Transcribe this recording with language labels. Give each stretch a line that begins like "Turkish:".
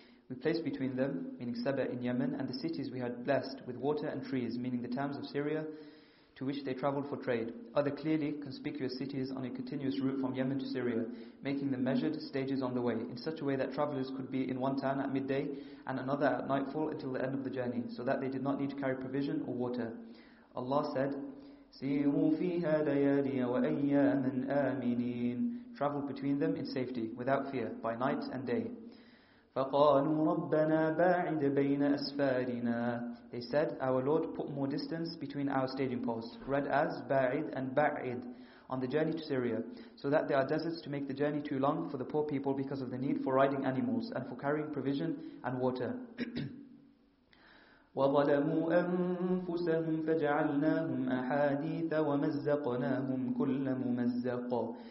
English: We placed between them, meaning Saba in Yemen, and the cities we had blessed with water and trees, meaning the towns of Syria, to which they travelled for trade. Other clearly conspicuous cities on a continuous route from Yemen to Syria, making them measured stages on the way, in such a way that travellers could be in one town at midday and another at nightfall until the end of the journey, so that they did not need to carry provision or water. Allah said,
Arabic: سيروا فيها ليالي وأياما آمنين,
English: travel between them in safety, without fear, by night and day.
Arabic: فقالوا ربنا باعد بين أسفارنا,
English: they said, our Lord, put more distance between our staging posts, read as باعد and باعد, on the journey to Syria, so that there are deserts to make the journey too long for the poor people because of the need for riding animals and for carrying provision and water.
Arabic: وَظَلَمُوا أَنفُسَهُمْ فَجَعَلْنَاهُمْ أَحَادِيثَ وَمَزَّقْنَاهُمْ كُلَّ مُمَزَّقَ.